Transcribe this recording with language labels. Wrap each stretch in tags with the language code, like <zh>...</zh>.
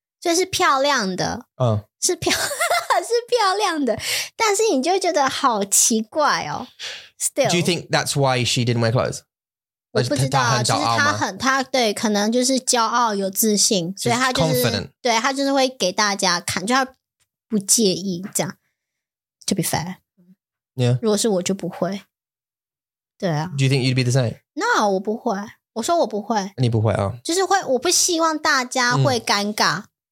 <zh>所以是漂亮的，是漂亮的，但是你就觉得好奇怪哦。</zh> <en>Still, do you think that's why she didn't wear clothes?</en> <zh>我不知道，其实他很，他对，可能就是骄傲有自信，所以他就是对他就是会给大家看，就他不介意这样。</zh> <en>To be fair, yeah.</en> <zh>如果是我就不会，对啊。</zh> <en>Do you think you'd be the same? No,</en> <zh>我不会，我说我不会，你不会啊，就是会，我不希望大家会尴尬。</zh>